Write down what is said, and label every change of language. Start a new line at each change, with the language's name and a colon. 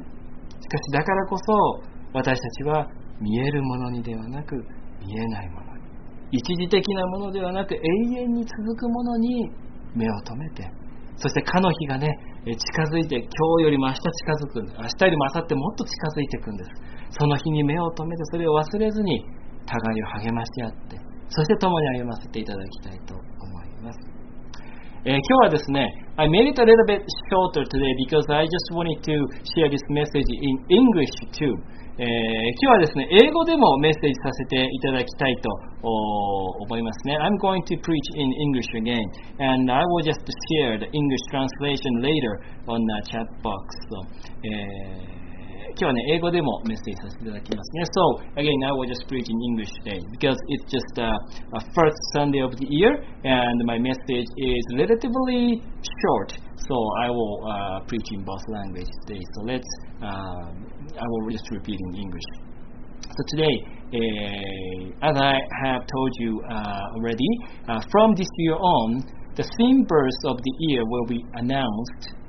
Japanese: しかしだからこそ私たちは見えるものにではなく見えないものに、一時的なものではなく永遠に続くものに目を留めて、そしてかの日がね近づいて、今日よりも明日近づくんです、明日よりも明後日もっと近づいていくんです。その日に目を留めて、それを忘れずに互いを励まし合って、そして共に歩ませていただきたいと思います。今日はですね、
English: I made it a little bit shorter today because I just wanted to share this message in English too。
Japanese: 今日はですね、英語でもメッセージさせていただきたいと思いますね。
English: I'm going to preach in English again and I will just share the English translation later on the chat box。
Japanese: 今日はね、英語でもメッセージさせていただきますね。
English: So, again, now we're just preaching English today because it's just a first Sunday of the year and my message is relatively short. So, I will preach in both languages today. So, let's, I will just repeat in English. So, today, as I have told you already, from this year on, the theme verse of the year will be announced.